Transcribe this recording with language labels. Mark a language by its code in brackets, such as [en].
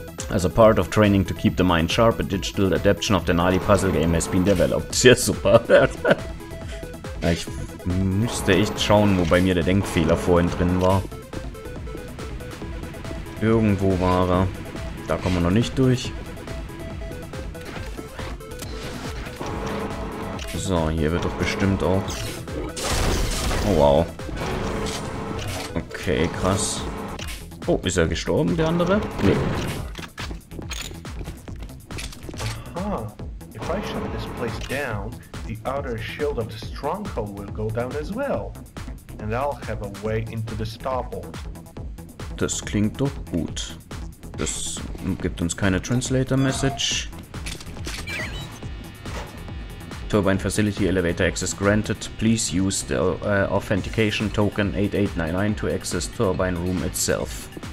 [en] As a part of training to keep the mind sharp, a digital adaption of the Nali Puzzle Game has been developed. [de] Ja, super. Ich müsste echt schauen, wo bei mir der Denkfehler vorhin drin war. Irgendwo war er. Da kommen wir noch nicht durch. So, hier wird doch bestimmt auch... Oh, wow. Okay, krass. Oh, ist er gestorben, der andere? Nee. Aha. [en] If I shut this place down, the outer shield of the stronghold will go down as well. And I'll have a way into the starboard. [de] Das klingt doch gut. Das gibt uns keine Translator-Message. [en] Turbine Facility Elevator Access granted. Please use the Authentication Token 8899 to access Turbine Room itself.